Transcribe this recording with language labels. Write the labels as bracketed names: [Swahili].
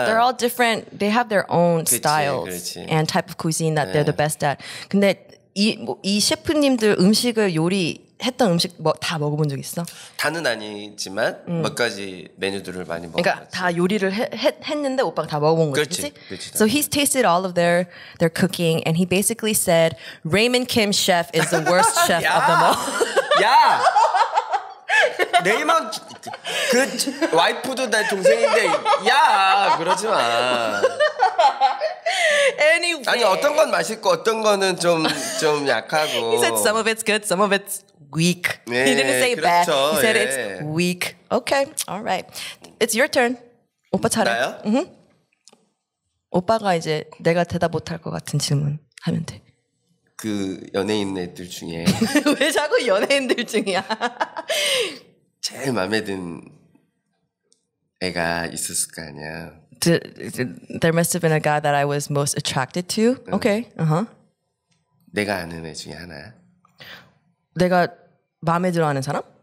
[Korean] 그치. [English] They're all different. They have their own [Korean] 그치, [English] styles [Korean] 그치. [English] and type of cuisine that [Korean] 네. [English] they're the best at. [Korean] 근데 이 셰프님들 음식을 요리했던 음식 뭐 다 먹어본 적 있어? 다는 아니지만 몇 가지 메뉴들을 많이 먹어. 그러니까 다 요리를 했는데 오빠가 다 먹어본 거지. 그렇지. [English] So he's tasted all of their cooking and he basically said Raymond Kim chef is the worst chef of them all. [Korean] 야! 레이먼 그 와이프도 내 동생인데 야! 그러지 마. [English] Anyway. [Korean] 아니 어떤 건 맛있고 어떤 거는 좀 약하고. [English] He said some of it's good, some of it's weak. [Korean] 네, [English] He didn't say [Korean] 그렇죠, [English] bad. He said [Korean] 예. [English] it's weak. Okay, all right. It's your turn. [Korean] 오빠 차례. 나요? 응. 오빠가 이제 내가 대답 못할 것 같은 질문 하면 돼. 그 연예인 애들 중에 왜 자꾸 연예인들 중이야? 제일 마음에 든 애가 있었을 거 아니야. [English] There must have been a guy that I was most attracted to. [Korean] 응. [English] Okay. Uh-huh. [Korean] 내가 아는 애 중에 하나야. 내가 마음에 들어하는 사람?